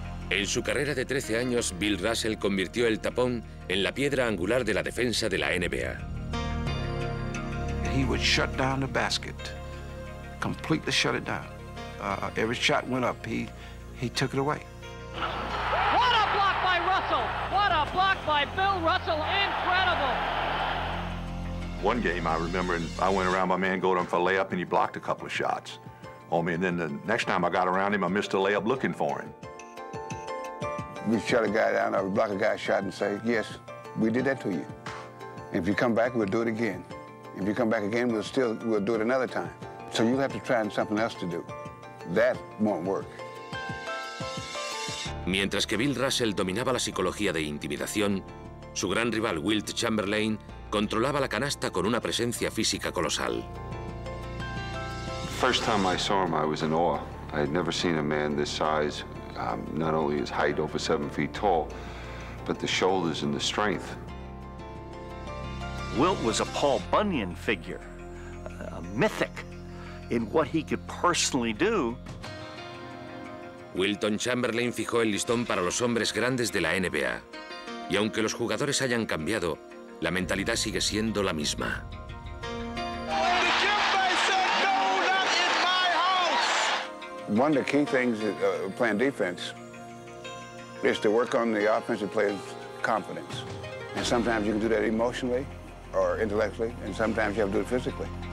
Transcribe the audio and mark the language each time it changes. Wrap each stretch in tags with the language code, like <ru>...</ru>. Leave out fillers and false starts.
<es>En su carrera de 13 años, Bill Russell convirtió el tapón en la piedra angular de la defensa de la NBA.</es> <en>He would shut down the basket, completely shut it down. Every shot went up, he took it away. What a block by Russell! What a block by Bill Russell! Incredible! One game I remember, and I went around my man Gordon for a layup, and he blocked a couple of shots on me. And then the next time I got around him, I missed a layup looking for him. We shut a guy down or block a guy's shot and say, yes, we did that to you. If you come back, we'll do it again. If you come back again, we'll do it another time. So you'll have to try something else to do. That won't work.</en> <es>Mientras que Bill Russell dominaba la psicología de intimidación, su gran rival Wilt Chamberlain controlaba la canasta con una presencia física colosal.</es> <en>First time I saw him, I was in awe. I had never seen a man this size. Not only his height over 7 feet tall, but the shoulders and the strength. Wilt was a Paul Bunyan figure, a mythic in what he could personally do.</en> <es>Wilton Chamberlain fijó el listón para los hombres grandes de la NBA. Y aunque los jugadores hayan cambiado, la mentalidad sigue siendo la misma.</es> <en>One of the key things playing defense is to work on the offensive player's confidence. And sometimes you can do that emotionally or intellectually, and sometimes you have to do it physically.</en>